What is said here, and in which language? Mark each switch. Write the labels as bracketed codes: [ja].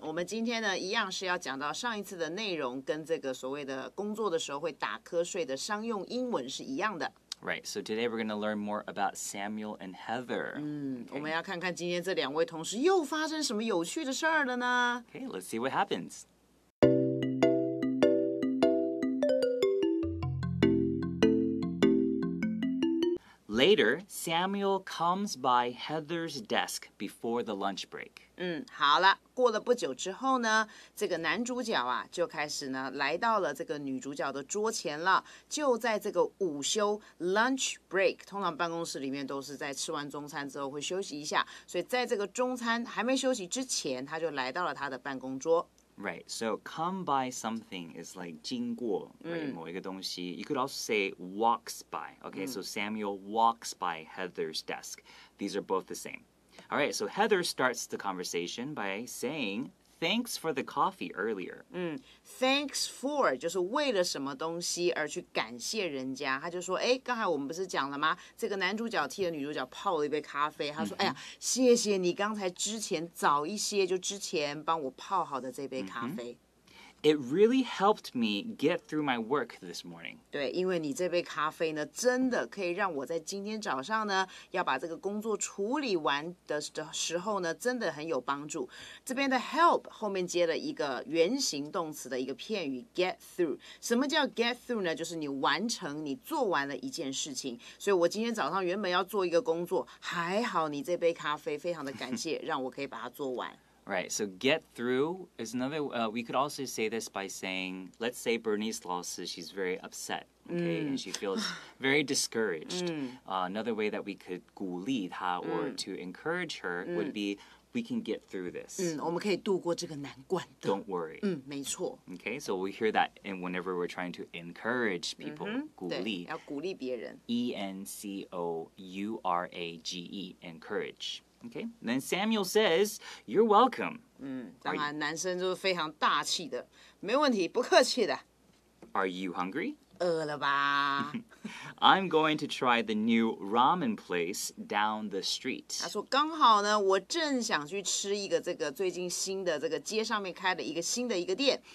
[zh] 我们今天呢一样是要讲到上一次的内容跟这个所谓的工作的时候会打瞌睡的商用英文是一样的。 [en] Right, so today we're going to learn more about Samuel and Heather. [zh] 我们要看看今天这两位同事又发生什么有趣的事儿了呢? [en] Okay, let's see what happens. Later, Samuel comes by Heather's desk before the lunch break. [zh] 好了，过了不久之后呢，这个男主角啊，就开始呢，来到了这个女主角的桌前了。就在这个午休 lunch break， 通常办公室里面都是在吃完中餐之后会休息一下，所以在这个中餐还没休息之前，他就来到了他的办公桌。 [en] Right, so come by something is like [zh] 经过、 [en] right? [zh] 某一个东西 [en] You could also say walks by. Okay,、so Samuel walks by Heather's desk. These are both the same. All right, so Heather starts the conversation by saying, thanks for the coffee earlier.、 thanks for, [zh] 就是为了什么东西而去感谢人家。他就说、哎、刚才我们不是讲了吗这个男主角替了女主角泡了一杯咖啡。他说、哎呀谢谢你刚才之前早一些就之前帮我泡好的这杯咖啡。 [en] It really helped me get through my work this morning. [zh] 对，因为你这杯咖啡呢，真的可以让我在今天早上呢，要把这个工作处理完的时候呢，真的很有帮助。这边的 help 后面接了一个原形动词的一个片语 get through。什么叫 get through 呢？就是你完成，你做完了一件事情。所以我今天早上原本要做一个工作，还好你这杯咖啡，非常的感谢，让我可以把它做完。 [en] Right, so get through is another,、we could also say this by saying, let's say Bernice lost, she's very upset, okay,、and she feels very discouraged.、another way that we could [zh] 鼓励她 [en] or、to encourage her、would be, we can get through this.、 [zh] 我们可以度过这个难关的。 [en] Don't worry.、 [zh] 没错。 [en] Okay, so we hear that in whenever we're trying to encourage people,、鼓励。 [zh] 要鼓励别人。 [en] E-N-C-O-U-R-A-G-E, encourage. Okay, then Samuel says, you're welcome. [zh] 当然男生就是非常大气的。没问题，不客气的。 [en] Are you hungry? [zh] 饿了吧。 [en] I'm going to try the new ramen place down the street. [zh] 他说刚好呢，我正想去吃一个这个最近新的这个街上面开的一个新的一个店。